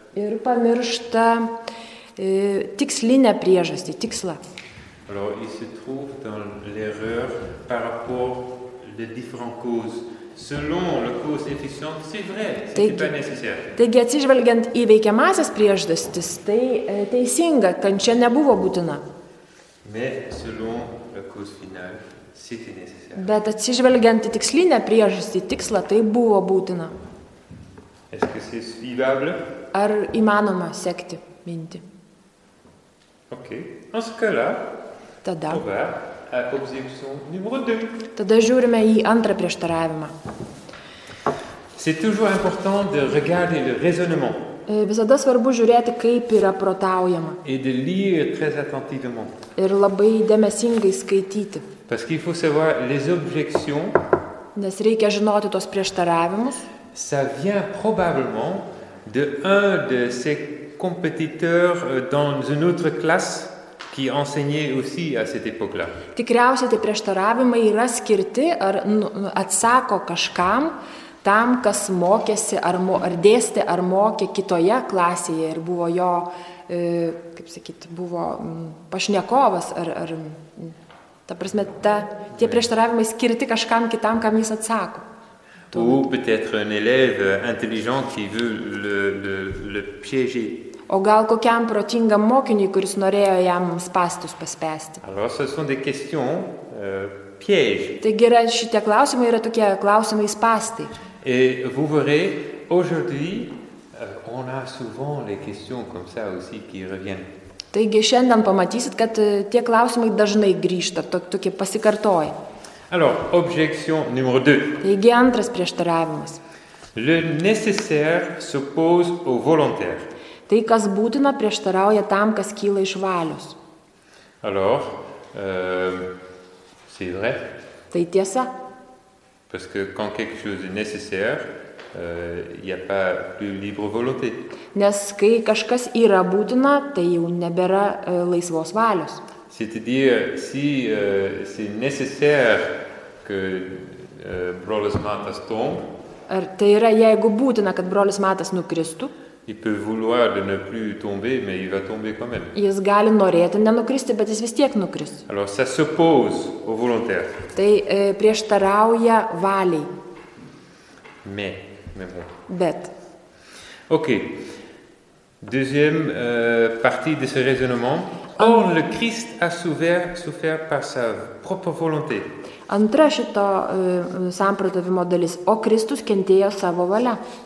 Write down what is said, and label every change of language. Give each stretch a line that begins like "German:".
Lithuanian: Ir pamiršta tikslinę priežastį, tikslą.
French: Alors, il se trouve dans l'erreur par rapport les différentes causes. Selon la cause efficiente, c'est vrai, c'était pas nécessaire.
Lithuanian: Taigi, atsižvelgiant į veikiamąsias priežastis, tai teisinga, kančia nebuvo būtina.
French: Mais selon la cause finale, c'était nécessaire.
Lithuanian: Bet atsižvelgiant į tikslinę priežastį, tikslą, tai buvo būtina.
French: Est-ce que c'est suivable?
Lithuanian: Ar įmanoma sekti mintį?
French: Ok. En ce cas-là,
Lithuanian: tada. Tada žiūrime į antrą prieštaravimą.
French: C'est toujours important de regarder le raisonnement.
Lithuanian: Visada svarbu žiūrėti, kaip yra protaujama.
French: Et de lire très attentivement.
Lithuanian: Ir labai dėmesingai skaityti.
French: Parce qu'il faut savoir les objections.
Lithuanian: Nes reikia žinoti tos prieštaravimus.
French: Ça vient probablement de un de ses compétiteurs dans une autre classe. Qui enseignait aussi à cette époque-là.
Lithuanian: Tikriausiai tie prieštaravimai yra skirti ar atsako kažkam, tam kas mokėsi ar dėstė ar mokė kitoje klasėje ir buvo jo kaip sakyti, buvo pašnekovas ar ta prasme tie prieštaravimai skirti kažkam kitam, kam jis atsako.
French: Ou peut-être un élève intelligent qui veut le piéger.
Lithuanian: O gal kokiam protingam mokiniui, kuris norėjo jam spastus paspęsti.
French: Alors, ce sont des questions, pièges.
Lithuanian: Taigi yra šitie klausimai, yra tokie klausimai spastai.
French: Et vous verrez, aujourd'hui, on a souvent les questions comme ça aussi qui reviennent.
Lithuanian: Taigi šiandien pamatysit, kad tie klausimai dažnai grįžta, tokie pasikartoja.
French: Alors, objection numéro 2.
Lithuanian: Taigi antras prieštaravimas.
French: Le nécessaire s'oppose au volontaire.
Lithuanian: Tai, kas būtina, prieštarauja tam, kas kyla iš valios.
French: Alors, c'est vrai.
Lithuanian: Tai tiesa.
French: Parce que quand quelque chose est nécessaire, il y a pas plus libre volonté.
Lithuanian: Nes kai kažkas yra būtina, tai jau nebėra laisvos valios.
French: C'est-à-dire, si c'est nécessaire que brolis Matas tombe.
Lithuanian: Ar tai yra, jeigu būtina, kad brolis Matas nukristų.
French: Il peut vouloir de ne plus tomber, mais il va tomber quand même.
Lithuanian: Jis gali norėti nenukristi, bet jis vis tiek nukris.
French: Alors, ça s'oppose au volontaire.
Lithuanian: Tai prieštarauja valiai.
French: Mais bon.
Lithuanian: Bet. Ok.
French: Deuxième partie de ce raisonnement. Or, le Christ a souffert par sa propre volonté.
Lithuanian: Antra šito samprotavimo dalis. O Kristus kentėjo savo valia.